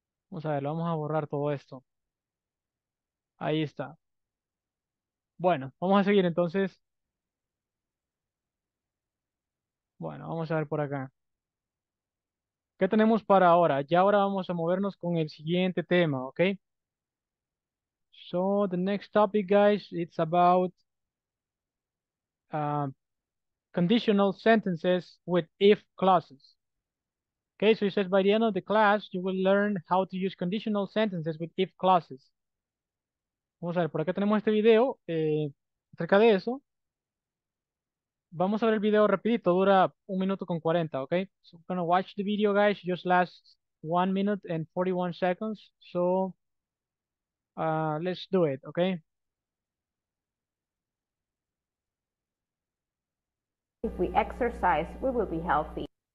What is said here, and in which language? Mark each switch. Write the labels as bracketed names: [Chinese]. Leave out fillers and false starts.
[Spanish] Vamos a ver, lo vamos a borrar todo esto. Ahí está. Bueno, vamos a seguir entonces. Bueno, vamos a ver por acá. ¿Qué tenemos para ahora? Ya ahora vamos a movernos con el siguiente tema, ¿ok? [English] So, the next topic, guys, it's about conditional sentences with if clauses. Okay, so he says by the end of the class, you will learn how to use conditional sentences with if clauses. [Spanish] Vamos a ver, por acá tenemos este video acerca de eso. Vamos a ver el video rapidito, dura 1:40, okay? [English] So we're gonna watch the video, guys, just lasts 1:41. So let's do it, okay? If we exercise, we will be healthy.